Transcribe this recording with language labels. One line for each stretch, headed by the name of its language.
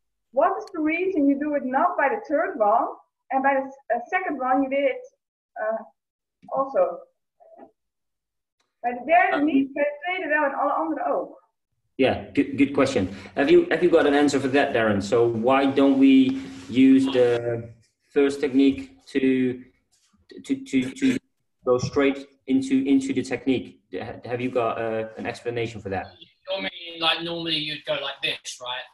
English: What is the reason you do it not by the third one, and by the second one you did it also?
Dutch: Bij de derde niet, bij de tweede wel, en alle andere ook.
English: Yeah, good question. Have you got an answer for that, Darren? So why don't we use the first technique to go straight into the technique? Have you got an explanation for that? Normally you'd go like this, right?